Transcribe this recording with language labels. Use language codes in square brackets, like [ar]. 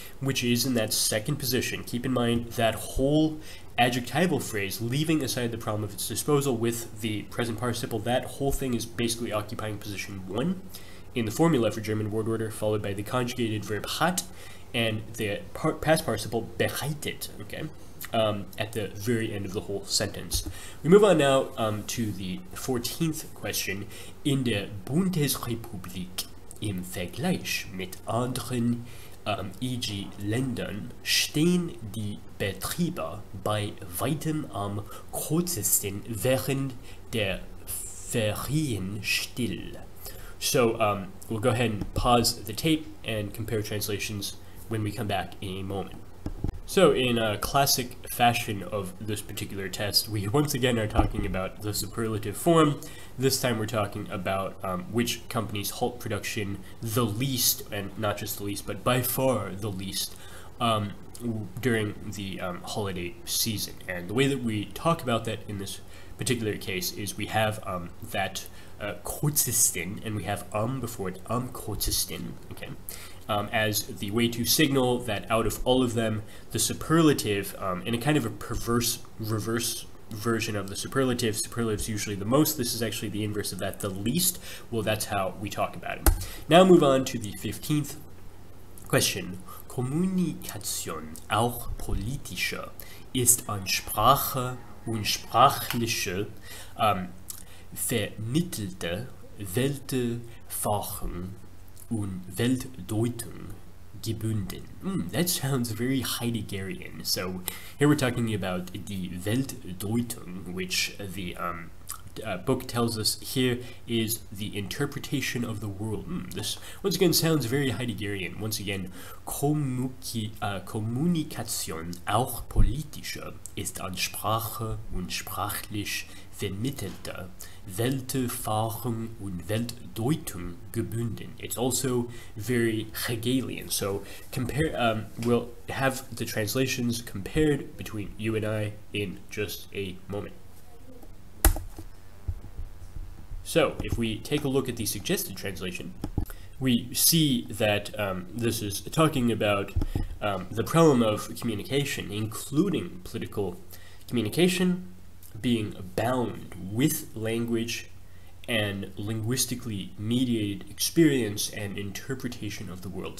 [en] Which is in that second position. Keep in mind that whole adjectival phrase, leaving aside the problem of its disposal with the present participle, that whole thing is basically occupying position one in the formula for German word order, followed by the conjugated verb hat, and the past participle bereitet, okay, at the very end of the whole sentence. We move on now to the 14th question. [de] In der Bundesrepublik im Vergleich mit anderen EG Ländern stehen die Betriebe bei weitem am kürzesten während der Ferien still. [en] So we'll go ahead and pause the tape and compare translations when we come back in a moment. So in a classic fashion of this particular test, we once again are talking about the superlative form. This time we're talking about which companies halt production the least, and not just the least, but by far the least, during the holiday season. And the way that we talk about that in this particular case is we have that kurzesten, and we have before it, kurzesten, okay? As the way to signal that out of all of them, the superlative, in a kind of a perverse reverse version of the superlative, superlative's usually the most, this is actually the inverse of that, the least. Well, that's how we talk about it. Now move on to the 15th question. [de] Kommunikation, auch politische, ist an Sprache und sprachliche vermittelte Weltfachen und Weltdeutung gebunden. [en] That sounds very Heideggerian. So here we're talking about the Weltdeutung, which the book tells us here is the interpretation of the world. This once again sounds very Heideggerian. Once again, [de] Kommunikation auch politische ist an Sprache und sprachlich vermittelte Weltfahrung und Weltdeutung gebunden. [en] It's also very Hegelian. So compare, we'll have the translations compared between you and I in just a moment. So if we take a look at the suggested translation, we see that this is talking about the problem of communication, including political communication, being bound with language and linguistically mediated experience and interpretation of the world.